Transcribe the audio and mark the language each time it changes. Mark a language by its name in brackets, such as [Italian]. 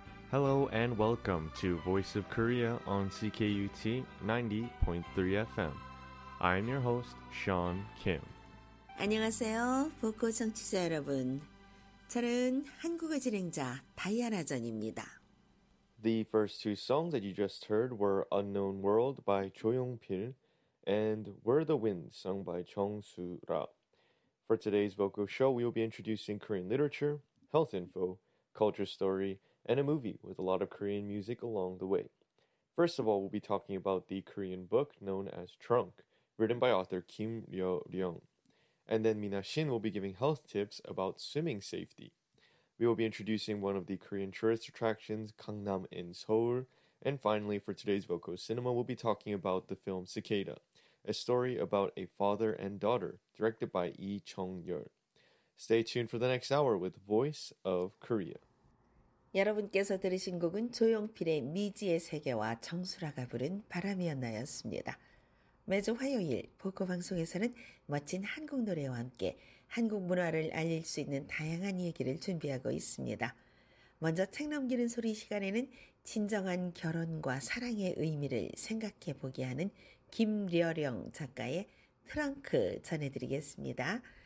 [English] Hello and welcome to Voice of Korea on CKUT 90.3 FM. I am your host, Sean Kim. [Korean] 안녕하세요, 북코 청취자 여러분. 저는 한국어 진행자 다이아나 전입니다. [English] The first two songs that you just heard were Unknown World by Cho Yong-pil and Where the Wind sung by Chung Soo-ra. For today's vocal show, we will be introducing Korean literature, health info, culture story, and a movie with a lot of Korean music along the way. First of all, we'll be talking about the Korean book known as Trunk, written by author Kim Ryo-ryung. And then Mina Shin will be giving health tips about swimming safety. We will be introducing one of the Korean tourist attractions, Gangnam in Seoul. And finally, for today's Voco Cinema, we'll be talking about the film Cicada, a story about a father and daughter, directed by Lee Chung-yeol. Stay tuned for the next hour with Voice of Korea. [Korean] 여러분께서 들으신 곡은 조용필의 미지의 세계와 정수라가 부른 바람이었나였습니다. 매주 화요일 보코 방송에서는 멋진 한국 노래와 함께 한국 문화를 알릴 수 있는 다양한 얘기를 준비하고 있습니다. 먼저 책 넘기는 소리 시간에는 진정한 결혼과 사랑의 의미를 생각해 보게 하는 김려령 작가의 트렁크 전해드리겠습니다.